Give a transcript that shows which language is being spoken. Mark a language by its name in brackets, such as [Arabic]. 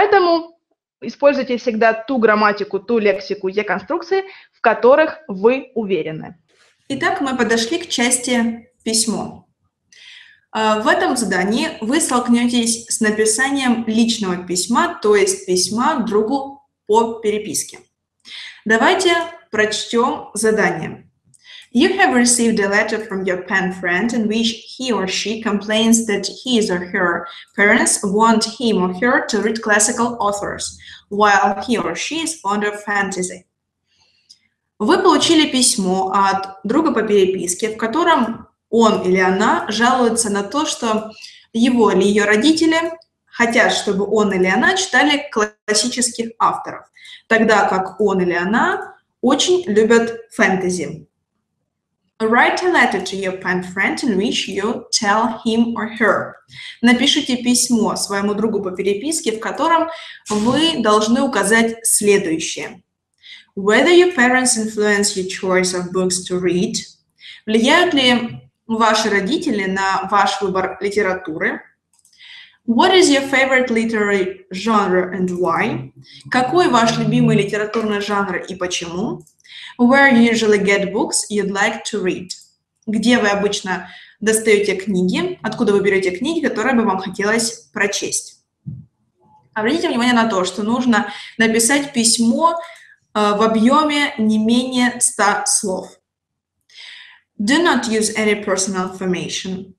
[Russian] Поэтому используйте всегда ту грамматику, ту лексику, те конструкции, в которых вы уверены. Итак, мы подошли к части «Письмо». В этом задании вы столкнетесь с написанием личного письма, то есть письма другу по переписке. Давайте прочтем задание. [English] You have received a letter from your pen friend in which he or she complains that his or her parents want him or her to read classical authors, while he or she is fond of fantasy. [Russian] Вы получили письмо от друга по переписке, в котором он или она жалуется на то, что его или ее родители хотят, чтобы он или она читали классических авторов, тогда как он или она очень любят фэнтези. [English] Write a letter to your pen friend in which you tell him or her. [Russian] Напишите письмо своему другу по переписке, в котором вы должны указать следующее. [English] Whether your parents influence your choice of books to read. [Russian] Влияют ли ваши родители на ваш выбор литературы? [English] What is your favorite literary genre and why? [Russian] Какой ваш любимый литературный жанр и почему? [English] Where you usually get books you'd like to read? [Russian] Где вы обычно достаете книги? Откуда вы берете книги, которые бы вам хотелось прочесть? Обратите внимание на то, что нужно написать письмо в объеме не менее 100 слов. [English] Do not use any personal information.